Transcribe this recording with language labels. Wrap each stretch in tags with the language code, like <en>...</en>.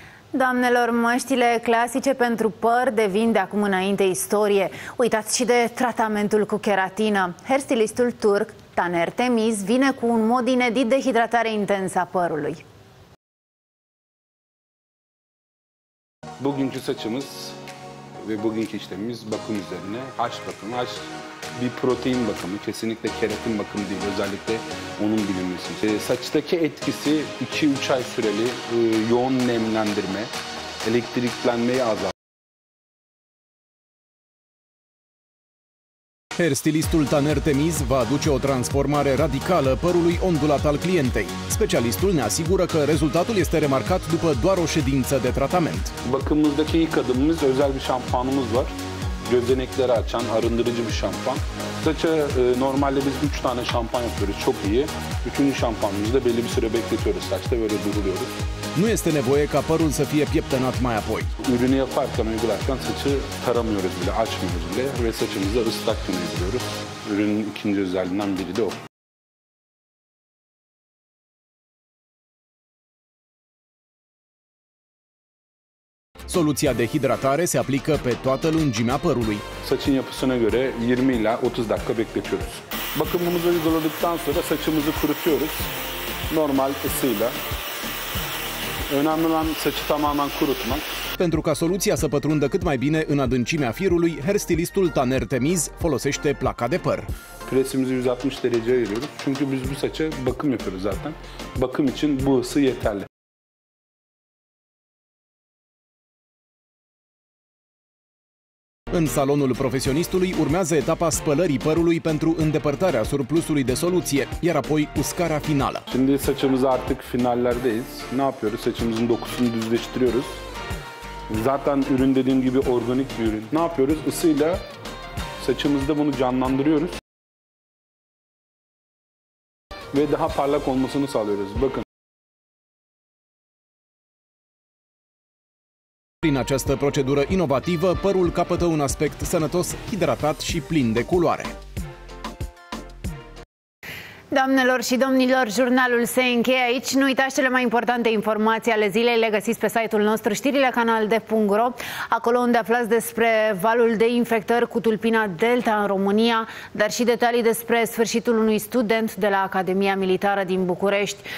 <ro>Doamnelor, măștile clasice pentru păr devin de acum înainte istorie. Uitați și de tratamentul cu keratină. Hairstylistul turc Taner Temiz vine cu un mod inedit de hidratare intensă a părului.</ro> <tr>Bugünkü saçımız ve bugünkü işlemimiz bakım üzerine. Haş bakımı, haş bir protein bakımı, kesinlikle keratin bakımı değil, özellikle onun bilinmesi. Saçtaki etkisi 2-3 ay süreli yoğun nemlendirme, elektriklenmeyi azalt.</tr> <ro>Hairstylistul Taner Temiz va aduce o transformare radicală părului ondulat al clientei. Specialistul ne asigură că rezultatul este remarcat după doar o ședință de tratament.</ro> <tr>Bakımımızdaki ilk adımımız özel bir şampuanımız var. Gözenekleri açan, arındırıcı bir şampuan. Saça normalde biz 3 tane şampuan yapıyoruz, çok iyi. Bütün şampuanımızı da belli bir süre bekletiyoruz, saçta böyle duruluyoruz.</tr> <ro>Nu este nevoie ca părul să fie pieptănat mai apoi.</ro> <tr>Ürünü yaparken, uygularken saçı taramıyoruz bile, açmıyoruz bile ve saçımızı ıslak uyguluyoruz. Ürünün ikinci özelliğinden biri de o.</tr> <ro>Soluția de hidratare se aplică pe toată lungimea părului.</ro> <tr>Saçın yapısına göre 20 ila 30 dakika bekletiyoruz. Bakımımızı uyguladıktan sonra saçımızı kurutuyoruz normal ısıyla. Önemli olan saçı tamamen kurutmak.</tr> <ro>Pentru ca soluția să pătrundă cât mai bine în adâncimea firului, hairstylistul Taner Temiz folosește placa de păr.</ro> <tr>Presimizi 160 derece ayırıyoruz. Çünkü biz bu saça bakım yapıyoruz zaten. Bakım için bu ısı yeterli.</tr> <ro>În salonul profesionistului urmează etapa spălării părului pentru îndepărtarea surplusului de soluție, iar apoi uscarea finală.</ro> <tr>Şimdi saçımız artık finallerdeyiz. Ne yapıyoruz? Saçımızın dokusunu düzleştiriyoruz. Zaten ürün dediğim gibi organik bir ürün. Ne yapıyoruz? Isıyla saçımızda bunu canlandırıyoruz. Ve daha parlak olmasını sağlıyoruz. Bakın.</tr> <ro>Prin această procedură inovativă, părul capătă un aspect sănătos, hidratat și plin de culoare. Doamnelor și domnilor, jurnalul se încheie aici. Nu uitați cele mai importante informații ale zilei, le găsiți pe site-ul nostru, știrilecanalde.ro, acolo unde aflați despre valul de infectări cu tulpina Delta în România, dar și detalii despre sfârșitul unui student de la Academia Militară din București.</ro>